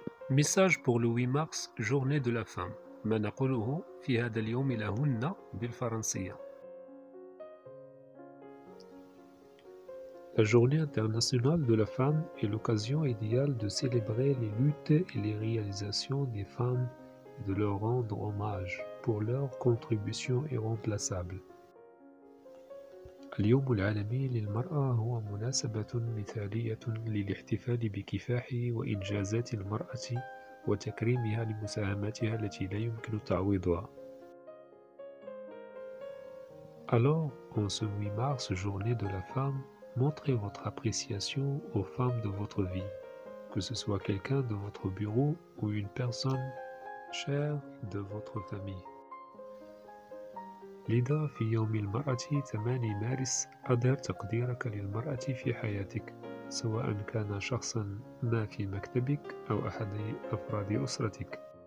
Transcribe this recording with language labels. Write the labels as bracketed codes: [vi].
[fr] Message pour le 8 mars, journée de la femme. [ar] ما نقوله في هذا اليوم لهن بالفرنسية. [fr] La journée internationale de la femme est l'occasion idéale de célébrer les luttes et les réalisations des femmes et de leur rendre hommage pour leur contribution irremplaçable. [ar] اليوم العالمي للمرأة هو مناسبة مثالية للاحتفال بكفاح وإنجازات المرأة وتكريمها لمساهماتها التي لا يمكن تعويضها. [fr] Alors, en ce 8 mars, journée de la femme, montrez votre appréciation aux femmes de votre vie, que ce soit quelqu'un de votre bureau ou une personne chère de votre famille. [ar] لذا في يوم المرأة 8 مارس أظهر تقديرك للمرأة في حياتك سواء كان شخصا ما في مكتبك أو أحد أفراد أسرتك.